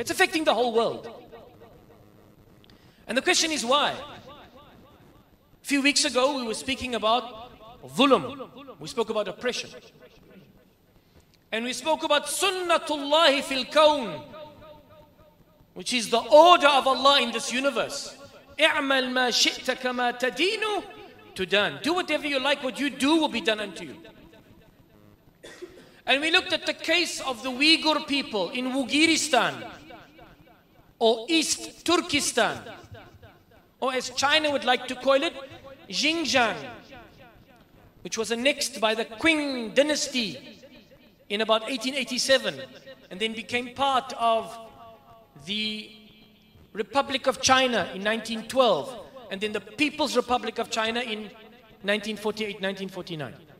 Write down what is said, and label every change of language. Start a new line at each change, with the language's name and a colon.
English: It's affecting the whole world. And the question is why? A few weeks ago, we were speaking about dhulm. We spoke about oppression. And we spoke about sunnatullahi fil kawn, which is the order of Allah in this universe.
Arabic: اعمل ما شئت كما تدين تدان.
English: Do whatever you like, what you do will be done unto you. And we looked at the case of the Uyghur people in Wugiristan or East Turkestan, or as China would like to call it, Xinjiang, which was annexed by the Qing dynasty in about 1887 and then became part of the Republic of China in 1912 and then the People's Republic of China in 1948-1949.